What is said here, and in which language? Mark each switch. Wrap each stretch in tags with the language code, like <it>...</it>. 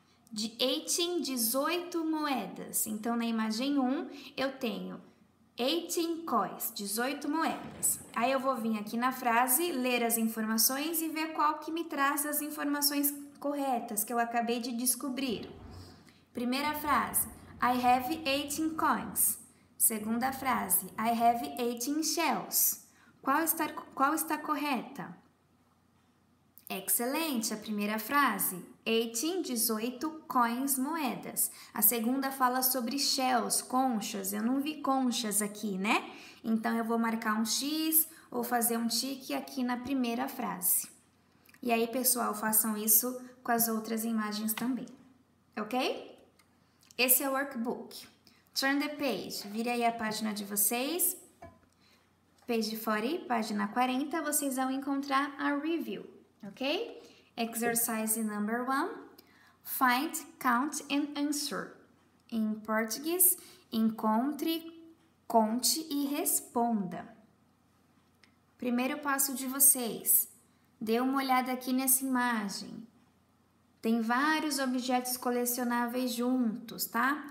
<pt>De 18, 18 moedas. Então, na imagem 1, eu tenho 18 coins, 18 moedas. Aí, eu vou vir aqui na frase, ler as informações e ver qual que me traz as informações corretas que eu acabei de descobrir. Primeira frase,</pt> <en>I have 18 coins.</en> <pt>Segunda frase,</pt> <en>I have 18 shells.</en> <pt>Qual está correta? Excelente, a primeira frase. 18, 18 coins, moedas. A segunda fala sobre shells, conchas. Eu não vi conchas aqui, né? Então, eu vou marcar um X ou fazer um tique aqui na primeira frase. E aí, pessoal, façam isso com as outras imagens também. Ok? Esse é o workbook.</pt> <en>Turn the page.</en> <pt>Vire aí a página de vocês. Page 40, página 40, vocês vão encontrar a review. Ok?</pt> <en>Exercise number 1, find, count and answer.</en> <pt>Em português, encontre, conte e responda. Primeiro passo de vocês, dê uma olhada aqui nessa imagem. Tem vários objetos colecionáveis juntos, tá?</pt>